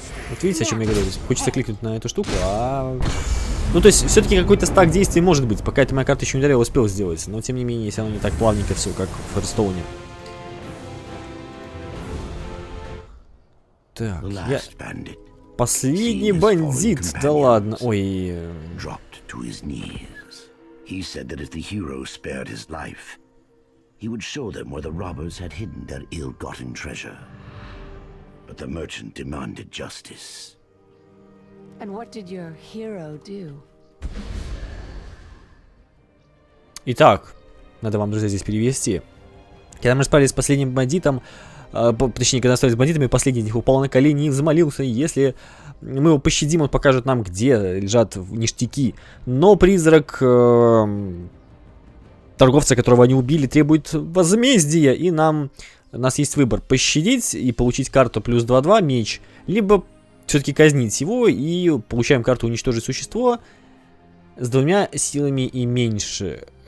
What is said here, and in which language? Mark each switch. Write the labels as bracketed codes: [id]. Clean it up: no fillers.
[ru] Вот видите, о чем я говорю? Хочется кликнуть на эту штуку, а... Ну, то есть, все-таки какой-то стак действий может быть. Пока это моя карта еще не ударила, успел сделать. Но, тем не менее, если оно не так плавненько все, как в Hearthstone. Так, я... Последний бандит, да ладно, ой... [en] ...дропped to his knees. He said that if the hero spared his life, he would show them where the robbers had hidden their ill-gotten treasure. But the merchant demanded justice. And what did your hero do? [ru] Итак, надо вам, друзья, здесь перевести. Когда мы справились с последним бандитом, точнее, когда остались бандитами, последний из них упал на колени и взмолился, если мы его пощадим, он покажет нам, где лежат ништяки. Но призрак торговца, которого они убили, требует возмездия, и нам, у нас есть выбор, пощадить и получить карту плюс 2-2, меч, либо все-таки казнить его и получаем карту уничтожить существо с двумя силами и меньше.